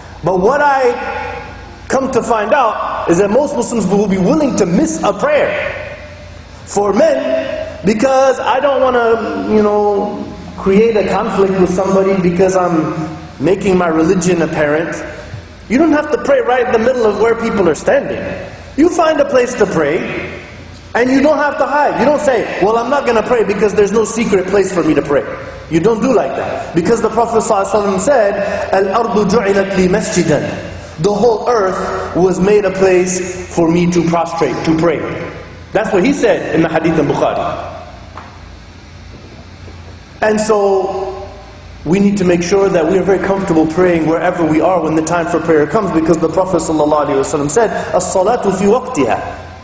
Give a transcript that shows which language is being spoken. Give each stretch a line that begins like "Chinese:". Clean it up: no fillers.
English: But what I come to find out is that most Muslims will be willing to miss a prayer for men because I don't want to, you know, create a conflict with somebody because I'm making my religion apparent. You don't have to pray right in the middle of where people are standing. You find a place to pray, and you don't have to hide. You don't say, well, I'm not going to pray because there's no secret place for me to pray. You don't do like that. Because the Prophet ﷺ said,
Arabic: الْأَرْضُ جُعِلَتْ لِي مَسْجِدًا.
English: The whole earth was made a place for me to prostrate, to pray. That's what he said in the Hadith in Bukhari. And so, we need to make sure that we are very comfortable praying wherever we are when the time for prayer comes, because the Prophet ﷺ said,
Arabic: الصَّلَاةُ فِي وَقْتِهَا.